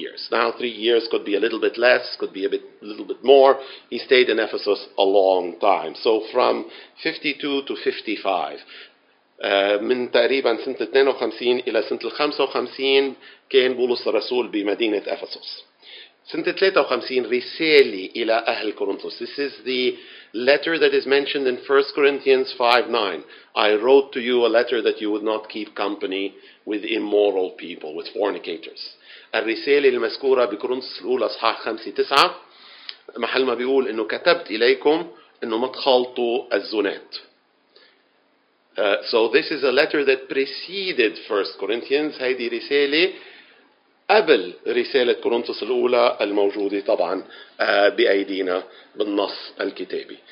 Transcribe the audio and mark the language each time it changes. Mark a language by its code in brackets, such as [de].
[en] Now, 3 years could be a little bit less, could be a little bit more. He stayed in Ephesus a long time. So from 52 to 55, [ar] من تقريبا سنة 52 إلى سنة 55 كان بولس الرسول بمدينة أفسوس. سنة 53 رسالة إلى أهل كورنثوس. [en] This is the letter that is mentioned in 1 Corinthians 5:9. I wrote to you a letter that you would not keep company with immoral people, with fornicators. [ar] الرسالة المذكورة بكورنثوس الأولى أصحاح 5:9 محل ما بيقول إنه كتبت إليكم إنه ما تخلطوا الزنات. [en] So this is a letter that preceded 1 Corinthians. [ar] هذه رسالة قبل رسالة كورنثوس الأولى الموجودة طبعا بأيدينا بالنص الكتابي.